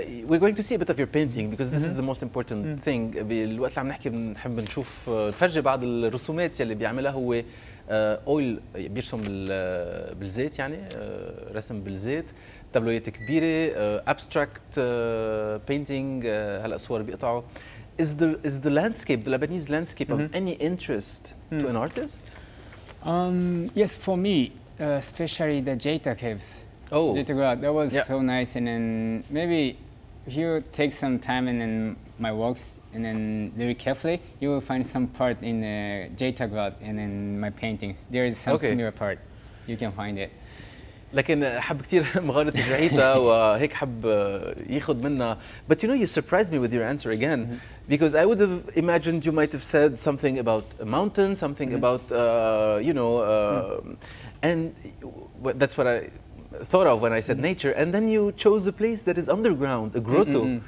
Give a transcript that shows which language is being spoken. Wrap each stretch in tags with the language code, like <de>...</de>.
<en>We're going to see a bit of your painting because this is the most important thing.</en> <ar>بالوقت اللي عم نحكي بنحب نشوف نفرجي بعض الرسومات يلي بيعملها هو. أويل بيرسم بالزيت، يعني رسم بالزيت، تابلويات كبيرة، abstract painting، هلأ صور بيقطعوا.</ar> <en>Is the landscape, the Lebanese landscape, of any interest to an artist? Yes, for me, especially the Jeta caves. Oh, Jeta, that was so nice. And then maybe if you take some time and then my works and then very carefully, you will find some part in the Jeta grot and in my paintings. There is some similar part. You can find it.</en> <ar>لكن حب كتير مغارة جعيتا وهيك حب ياخذ منها.</ar> <en>But you know, you surprised me with your answer again, because I would have imagined you might have said something about a mountain, something about you know, and that's what I thought of when I said nature. And then you chose a place that is underground, a grotto.</en>